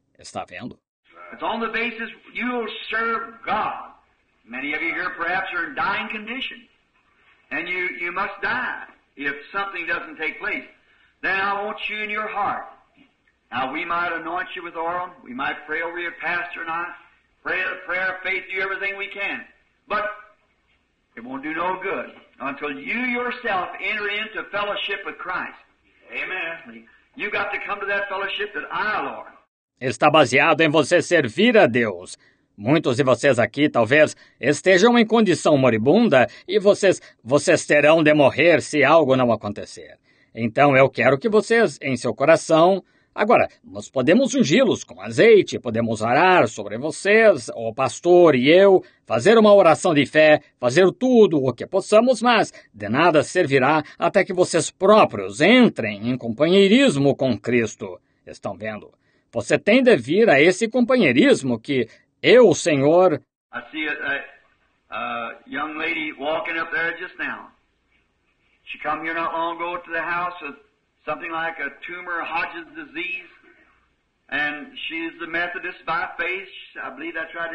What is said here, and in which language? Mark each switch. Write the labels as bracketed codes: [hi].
[pt] Está vendo? [en] It's on the basis you will serve God. Many of you here perhaps are in dying condition. And you must die if something doesn't take place. Then I want you in your heart. Now we might anoint you with oil, we might pray over your pastor and I, pray a prayer of faith, do everything we can. But it won't do no good until you yourself enter into fellowship with Christ. Amen. You got to come to that fellowship that I, Lord. [pt] Está baseado em você servir a Deus. Muitos de vocês aqui, talvez, estejam em condição moribunda e vocês terão de morrer se algo não acontecer. Então, eu quero que vocês, em seu coração... Agora, nós podemos ungi-los com azeite, podemos orar sobre vocês, o pastor e eu, fazer uma oração de fé, fazer tudo o que possamos, mas de nada servirá até que vocês próprios entrem em companheirismo com Cristo. Estão vendo? Você tem de vir a esse companheirismo que eu, Senhor... [en] I see a young lady walking up there just now. She come here not long ago to the house of... something like a tumor, Hodges disease, and she's the Methodist by faith. I believe that's right.